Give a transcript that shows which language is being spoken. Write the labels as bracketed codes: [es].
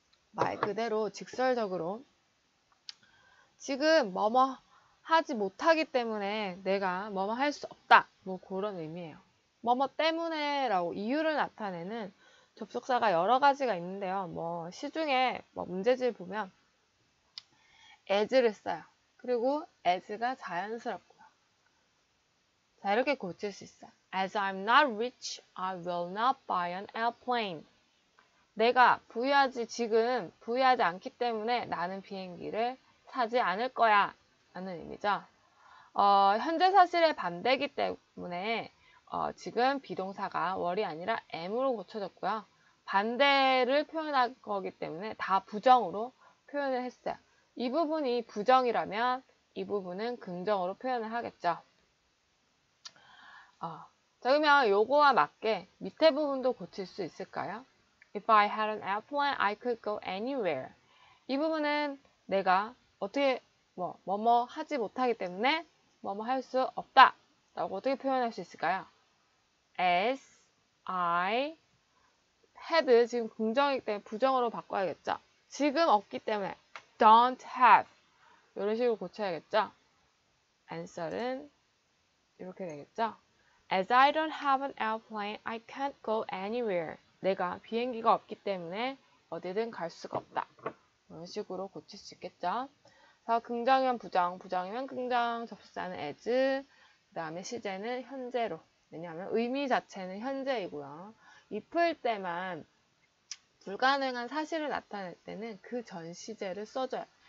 [ko] 말 그대로 직설적으로 지금 뭐뭐 하지 못하기 때문에 내가 뭐뭐 할수 없다. 뭐 그런 의미예요. 뭐뭐 때문에라고 이유를 나타내는 접속사가 여러 가지가 있는데요. 뭐 시중에 뭐 문제지를 보면 as를 써요. 그리고 as가 자연스럽고요. 자, 이렇게 고칠 수 있어요. [en] As I'm not rich, I will not buy an airplane. [ko] 내가 부유하지, 지금 부유하지 않기 때문에 나는 비행기를 사지 않을 거야. 라는 의미죠. 현재 사실에 반대이기 때문에 지금 비동사가 월이 아니라 M으로 고쳐졌고요. 반대를 표현한 거기 때문에 다 부정으로 표현을 했어요. 이 부분이 부정이라면 이 부분은 긍정으로 표현을 하겠죠. 자, 그러면 요거와 맞게 밑에 부분도 고칠 수 있을까요? [en] If I had an airplane, I could go anywhere. [ko] 이 부분은 내가 어떻게 뭐뭐뭐 하지 못하기 때문에 뭐뭐 할수 없다 라고 어떻게 표현할 수 있을까요? [en] As I had, [ko] 지금 긍정이기 때문에 부정으로 바꿔야겠죠. 지금 없기 때문에 don't have, 이런 식으로 고쳐야겠죠. Answer은 이렇게 되겠죠. [en] As I don't have an airplane, I can't go anywhere. [ko] 내가 비행기가 없기 때문에 어디든 갈 수가 없다. 이런 식으로 고칠 수 있겠죠. 그래서 긍정이면 부정, 부정이면 긍정, 접속사는 as, 그다음에 시제는 현재로. 왜냐하면 의미 자체는 현재이고요. if일 때만 불가능한 사실을 나타낼 때는 그전 시제를 써줘요.